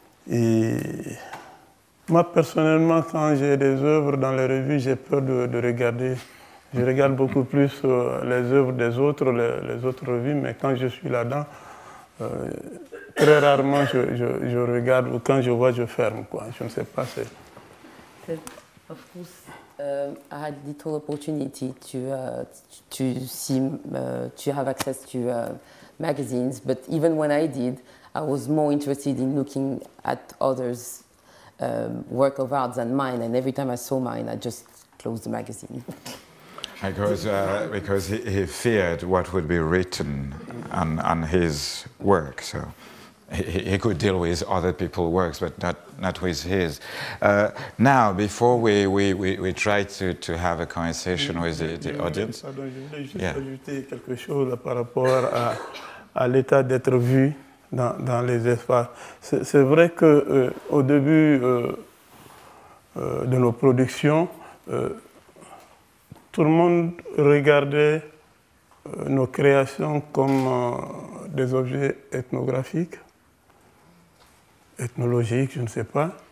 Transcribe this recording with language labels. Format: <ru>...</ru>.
<fr>Et moi, personnellement, quand j'ai des œuvres dans les revues, j'ai peur de regarder. Je regarde beaucoup plus les œuvres des autres, les autres revues, mais quand je suis là-dedans, très rarement je regarde, ou quand je vois, je ferme, quoi. Je ne sais pas.</fr> <en>Of course, I had little opportunity to have access to magazines, but even when I did, I was more interested in looking at others' work of art than mine, and every time I saw mine, I just closed the magazine. Because he feared what would be written on his work, so he could deal with other people's works, but not with his. Now, before we try to have a conversation with the audience.</en> <fr>Pardon, je voulais juste ajouter quelque chose par rapport à l'état d'être vu dans les espaces. C'est vrai que au début de nos productions, tout le monde regardait nos créations comme des objets ethnographiques, ethnologiques, je ne sais pas.</fr>